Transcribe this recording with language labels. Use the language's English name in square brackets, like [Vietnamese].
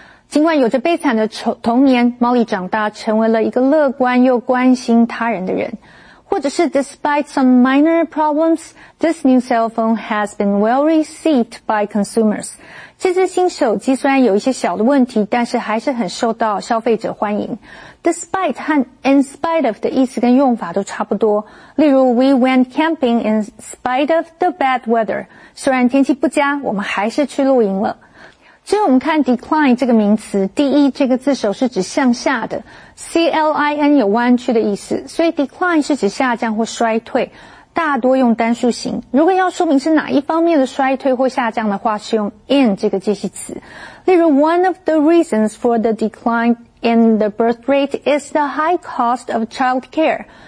[Chinese] 尽管有着悲惨的童年 ,Molly 长大成为了一个乐观又关心他人的人。或者是 [English] despite some minor problems, this new cell phone has been well received by consumers. [Chinese] 这支新手机虽然有一些小的问题但是还是很受到消费者欢迎。 Despite 和 in spite of 的意思跟用法都差不多。例如 [English] ,we went camping in spite of the bad weather. [Chinese] 虽然天气不佳我们还是去露营了。接着我们看 decline 这个名词。第一这个字首是指向下的。CLIN 有弯曲的意思。所以 decline 是指下降或衰退。大多用单数型。如果要说明是哪一方面的衰退或下降的话是用 in 这个介系词。例如 [English] ,one of the reasons for the decline,And the birth rate is the high cost of child care.